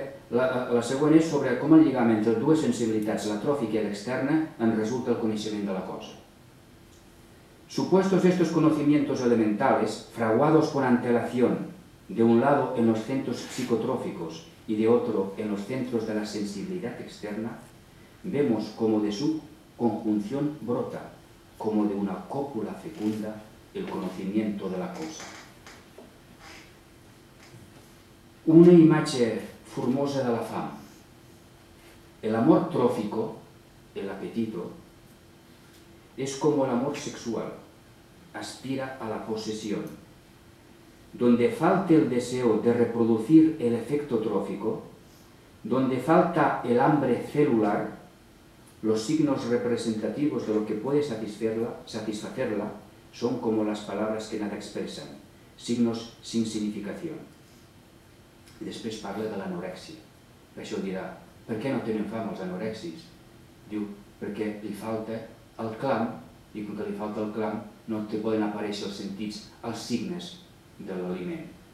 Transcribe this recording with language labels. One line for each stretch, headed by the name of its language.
Catalan: La següent és sobre com el lligam entre dues sensibilitats, la tròfica i l'externa, en resulta el coneixement de la cosa.
Spanish: Supuestos estos conocimientos elementales, fraguados con antelación, de un lado en los centros psicotróficos y de otro en los centros de la sensibilidad externa, vemos como de su conjunción brota, como de una cópula fecunda, el conocimiento de la cosa.
Catalan: Una imatge formosa de la fam.
Spanish: El amor trófico, el apetito, es como el amor sexual, aspira a la posesión. Donde falte el deseo de reproducir el efecto trófico, donde falta el hambre celular, los signos representativos de lo que puede satisfacerla son como las palabras que nada expresan, signos sin significación.
Catalan: I després parla de l'anorèxia. Per això dirà, per què no tenen fam els anorèxics? Diu, perquè li falta el clam, i com que li falta el clam no te poden aparèixer els sentits, els signes de l'aliment.